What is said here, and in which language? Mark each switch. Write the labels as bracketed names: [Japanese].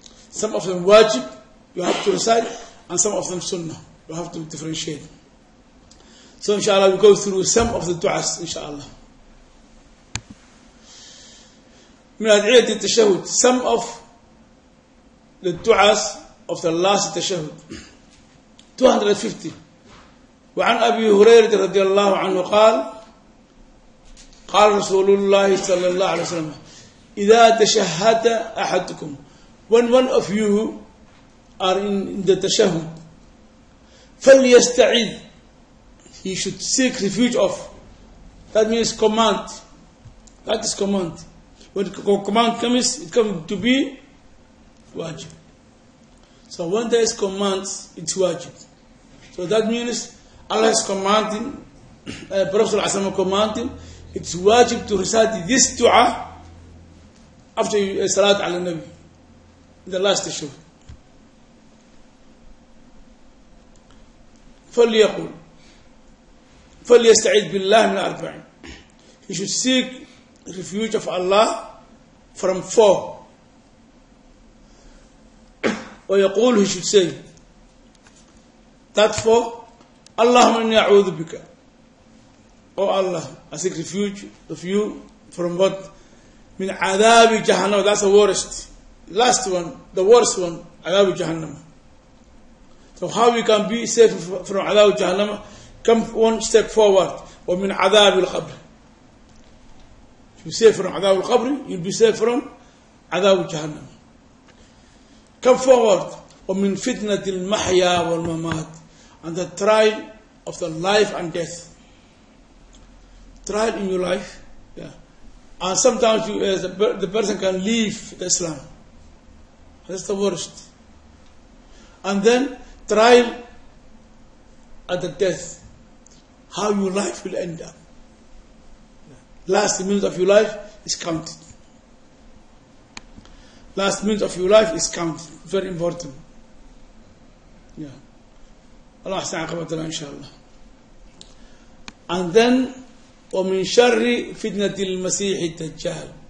[English] Some of them wajib, you have to recite, and some of them sunnah. You have to differentiate. So inshallah, we go through some of the du'as, inshallah. من أدعية التشهد, some of the du'as of the last tashahud. 250. [Arabic] وعن أبي هريرة رضي الله عنه قال, قال رسول الله صلى الله عليه وسلم, إذا تشهد أحدكم, when one of you are in the tashahud, فليستعيذ, he should seek refuge of. [English] That means command. That is command. When command comes, it comes to be wajib. So when there is command, it's wajib. So that means Allah is commanding, Prophet is commanding, it's wajib to recite this dua after you salat ala nabi, the last issue. [Arabic] فليقول فليستعيذ بالله من أربع. [English] He should seek refuge of Allah from four. ويقول, he should say that four, اللهم إني أعوذ بك. Oh Allah, I seek refuge of you from what? من عذاب جهنم. That's the worst. Last one, the worst one, عذاب جهنم. So how we can be safe from عذاب جهنم? Come one step forward. ومن عذاب القبر. If you're safe from عذاب القبر, you'll be safe from عذاب جهنم. Come forward. [Arabic] ومن فتنة المحيا والممات. [English] And the trial of the life and death. Trial in your life. Yeah. And sometimes you, the person can leave the Islam. That's the worst. And then, trial at the death, how your life will end up. Last minute of your life is counted. Last minute of your life is counted. Very important. Yeah. Allah has aqabatana, inshallah. [Arabic] And then, وَمِن شَرِّ فِتْنَةِ الْمَسِيحِ الدَّجَّالِ.